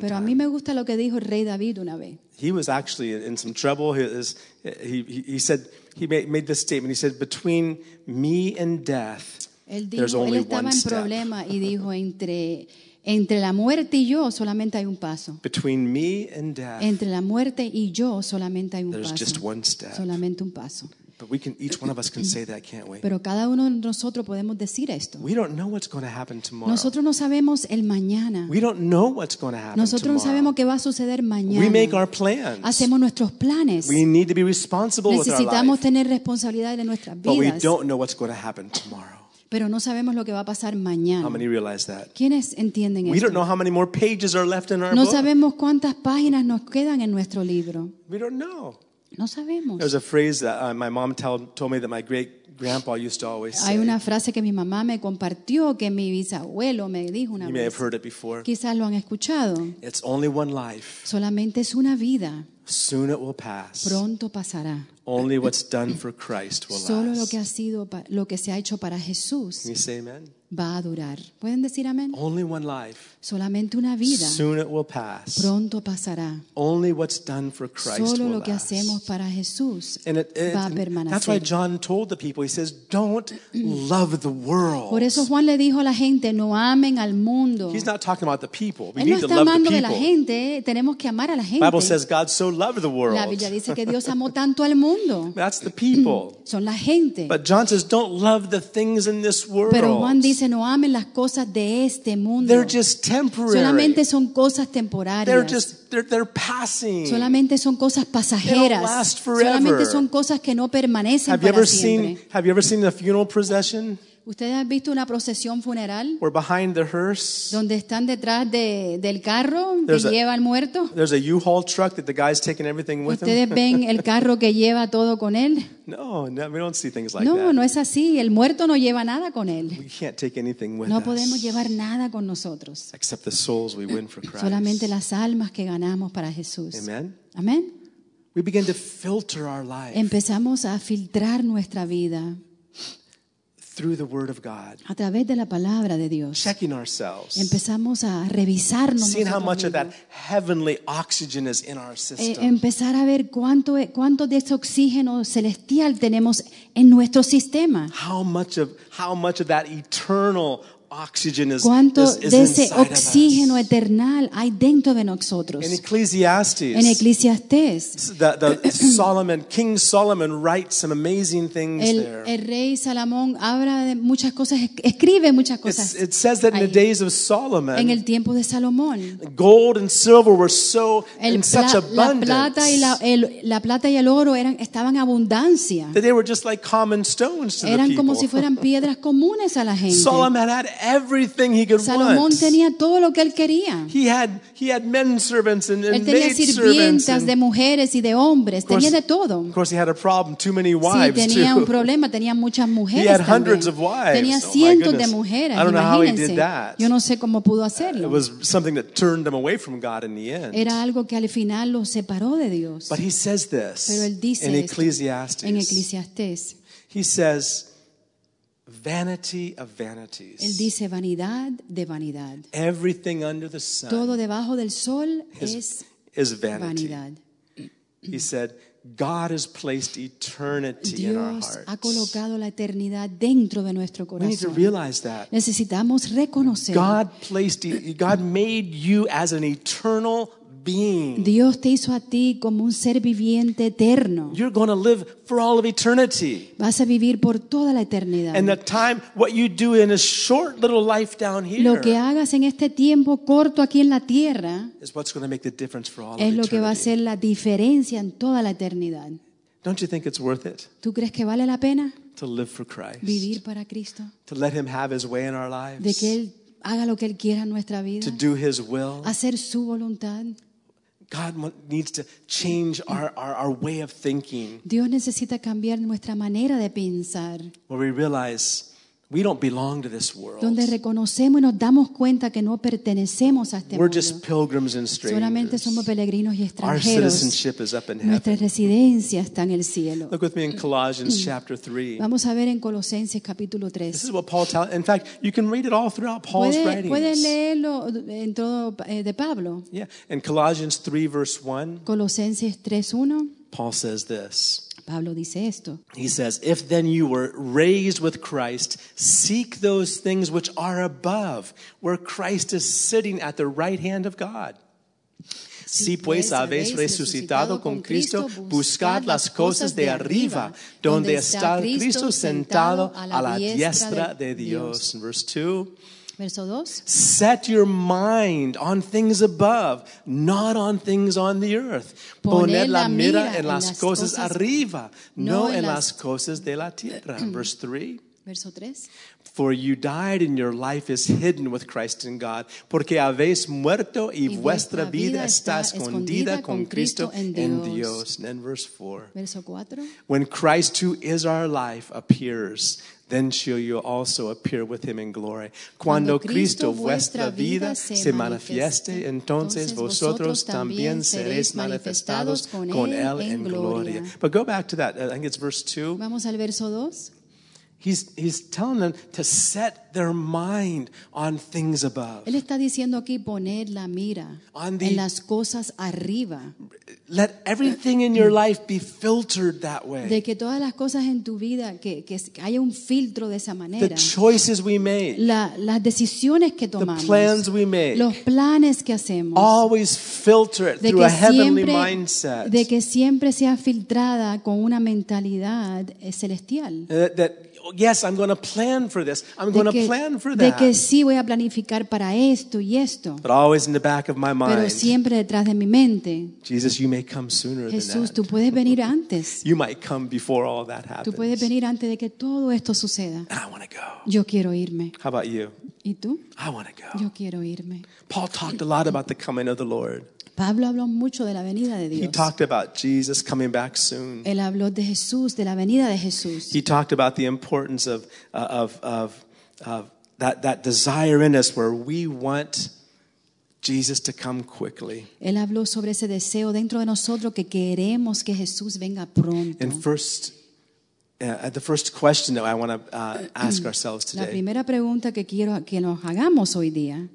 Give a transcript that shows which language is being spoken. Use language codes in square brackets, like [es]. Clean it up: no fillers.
[es] Pero a mí me gusta lo que dijo el rey David una vez. [en] He was actually in some trouble. He made this statement. He said, between me and death, [es] él dijo, [en] there's only [es] él estaba [en] one [es] en problema [en] step. [es] Y dijo, entre la muerte y yo solamente hay un paso. [en] Between me and death, [es] entre la muerte y yo solamente hay un [en] there's [es] paso. [en] Just one step. [es] Solamente un paso. [en] But we can, each one of us can say that, can't we? [es] Pero cada uno de nosotros podemos decir esto. [en] We don't know what's going to happen tomorrow. [es] Nosotros no sabemos el mañana. [en] We don't know what's going to happen [es] nosotros [en] tomorrow. [es] No sabemos qué va a suceder mañana. [en] We make our plans. [es] Hacemos nuestros planes. [en] We need to be responsible [es] necesitamos [en] with our [es] tener responsabilidad en nuestras vidas. [en] But we don't know what's going to happen tomorrow. [es] Pero no sabemos lo que va a pasar mañana. [en] How many realize that? [es] ¿Quiénes entienden [en] esto? We don't know how many more pages are left in our book. [es] No sabemos cuántas páginas nos quedan en nuestro libro. [en] We don't know. [es] No sabemos. [en] There's a phrase that my mom told me that my great grandpa used to always say. [es] Hay una frase que mi mamá me compartió que mi bisabuelo me dijo una vez. [en] You may have heard it before. [es] Quizás lo han escuchado. [en] It's only one life. [es] Solamente es una vida. [en] Soon it will pass. [es] Pronto pasará. [en] Only what's done for Christ will last. [es] Solo lo que ha sido lo que se ha hecho para Jesús. [en] Can you say amen? [es] Va a durar. ¿Pueden decir amén? [en] Only one life. [es] Solamente una vida. [en] Soon it will pass. [es] Pronto pasará. [en] Only what's done for Christ [es] solo [en] will [es] lo [en] last. [es] Que hacemos para Jesús va a permanecer. [en] That's why John told the people, he says, don't love the world. [es] Por eso Juan le dijo a la gente, no amen al mundo. [en] He's not talking about the people. We [es] él [en] need [es] no [en] to love the people. [es] Está hablando de la gente, tenemos que amar a la gente. [en] The Bible says God so loved the world. [es] La Biblia dice que Dios amó tanto al mundo. [en] That's the people. [es] Son la gente. [en] But John says don't love the things in this world. [es] Pero Juan dice no amen las cosas de este mundo. [en] They're just temporary. [es] Solamente son cosas temporarias. [en] They're passing. [es] Solamente son cosas pasajeras. [en] They don't last forever. [es] Solamente son cosas que no permanecen [en] have you ever [es] siempre. [en] Seen, have you ever seen a funeral procession? [es] ¿Ustedes han visto una procesión funeral? [en] We're behind the hearse. [es] Donde están detrás del carro que lleva al muerto. [en] There's a U-Haul truck that the guy's taking everything with [es] ¿Ustedes [en] him. [es] ¿Ustedes ven el carro que lleva todo con él? [en] No, we don't see things like [es] no, [en] that. [es] No es así. El muerto no lleva nada con él. [en] We can't take anything with [es] no [en] us. [es] No podemos llevar nada con nosotros. [en] Except the souls we win for Christ. [es] Solamente las almas que ganamos para Jesús. [en] Amen. [es] Amen. [en] We begin to filter our life. [es] Empezamos a filtrar nuestra vida. [en] Through the word of God. [es] A través de la palabra de Dios. [en] Checking ourselves. [es] Empezamos a revisarnos. [en] Seeing how much of that heavenly oxygen is in our system. [es] Empezar a ver cuánto de ese oxígeno celestial tenemos en nuestro sistema. [en] How much of that eternal oxygen is [es] cuánto de ese [en] inside [es] oxígeno [en] of us. [es] Eternal hay dentro de nosotros. [en] In Ecclesiastes. [es] En Eclesiastés. [en] The Solomon, King Solomon writes some amazing things [es] El rey Salomón habla de muchas cosas, escribe muchas cosas. [en] It says that in the days of Solomon. [es] En el tiempo de Salomón. [en] Gold and silver were so in such abundance. [es] La plata y el oro estaban abundancia. [en] That they were just like common stones to [es] eran [en] the [es] como [en] people. [es] Si fueran piedras comunes a la gente. [en] Solomon had everything he could [es] Salomón [en] want. [es] Tenía todo lo que él quería. [en] He had men servants and maid [es] Él tenía sirvientas de mujeres y de hombres. Tenía de todo. [en] Of course, he had a problem. Too many wives. [es] Sí, tenía [en] too. [es] Un problema. Tenía muchas mujeres. [en] He had [es] también. [en] Hundreds of wives. [es] Tenía oh, cientos de mujeres. [en] I don't know [es] imagínense. [en] How he did that. [es] Yo no sé cómo pudo hacerlo. [en] It was something that turned him away from God in the end. [es] Era algo que al final lo separó de Dios. [en] But he says this. [es] Pero él dice [en] in Ecclesiastes. [es] En Ecclesiastes. [en] He says. Vanity of vanities. [es] Él dice vanidad de vanidad. [en] Everything under the sun. [es] Todo debajo del sol es vanity. Vanidad. [en] He said, God has placed eternity [es] Dios [en] in our hearts. [es] Dios ha colocado la eternidad dentro de nuestro corazón. [en] We need to realize that. [es] Necesitamos reconocer. [en] God made you as an eternal being. [es] Dios te hizo a ti como un ser viviente eterno. [en] You're going to live for all of eternity. [es] Vas a vivir por toda la eternidad. [en] And the time, what you do in a short little life down here, [es] lo que hagas en este tiempo corto aquí en la tierra, [en] is what's going to make the difference for all of [es] eternity. Es lo que va a hacer la diferencia en toda la eternidad. [en] Don't you think it's worth it? [es] ¿Tú crees que vale la pena? [en] To live for Christ. [es] Vivir para Cristo. [en] To let Him have His way in our lives. [es] De que Él haga lo que Él quiera en nuestra vida. [en] To do His will. [es] Hacer su voluntad. [en] God needs to change our way of thinking. [es] Dios necesita cambiar nuestra manera de pensar. [en] Where we realize we don't belong to this world. [es] Donde reconocemos y nos damos cuenta que no pertenecemos a este mundo. [en] We're just pilgrims and strangers. [es] Solamente somos peregrinos y extranjeros. [en] Our citizenship is up in heaven. [es] Nuestra residencia está en el cielo. [en] Look with me in Colossians chapter 3. [es] Vamos a ver en Colosenses capítulo 3. [en] This is what Paul tells. In fact, you can read it all throughout Paul's writings. [es] Puedes leerlo en todo de Pablo. [en] Yeah, in Colossians 3 verse 1. [es] Colosenses 3:1. [en] Paul says this. [es] Pablo dice esto. [en] He says, if then you were raised with Christ, seek those things which are above, where Christ is sitting at the right hand of God. [es] Si pues habéis resucitado con Cristo, buscad las cosas de arriba, donde está Cristo sentado a la diestra de Dios. [en] In verse 2. Set your mind on things above, not on things on the earth. [es] Poned la mira en las cosas arriba, no en las cosas de la tierra. [en] Verse 3. For you died and your life is hidden with Christ in God. [es] Porque habéis muerto y vuestra vida está escondida con Cristo en Dios. [en] And then verse 4. When Christ, who is our life, appears, then shall you also appear with him in glory. [es] Cuando Cristo, vuestra vida, se manifieste, entonces vosotros también seréis manifestados con él en gloria. [en] But go back to that. I think it's verse 2. [es] Vamos al verso 2. [en] He's telling them to set their mind on things above. [es] Él está diciendo aquí poner la mira en las cosas arriba. [en] Let everything in your life be filtered that way. [es] De que todas las cosas en tu vida que haya un filtro de esa manera. [en] The choices we make. [es] Las decisiones que tomamos. [en] The plans we make. [es] Los planes que hacemos. [en] Always filter it through a heavenly mindset. [es] De que siempre sea filtrada con una mentalidad celestial. [en] Yes, I'm going to plan for this. I'm going [es] que, [en] to plan for that. [es] De que sí voy a planificar para esto y esto. [en] But always in the back of my mind. [es] Pero siempre detrás de mi mente. [en] Jesus, you may come sooner [es] Jesús, [en] than that. [es] Tú puedes venir antes. [en] You might come before all that happens. [es] Tú puedes venir antes de que todo esto suceda. [en] And I want to go. [es] Yo quiero irme. [en] How about you? [es] ¿Y tú? [en] I want to go. [es] Yo quiero irme. [en] Paul talked a lot about the coming of the Lord. [es] Pablo habló mucho de la venida de Dios. [en] He talked about Jesus coming back soon. [es] Él habló de Jesús, de la venida de Jesús. [en] He talked about the importance of that desire in us where we want Jesus to come quickly. [es] Él habló sobre ese deseo dentro de nosotros que queremos que Jesús venga pronto. [en] And first, the first question that I want to ask ourselves today. [es] La primera pregunta que quiero que nos hagamos hoy día.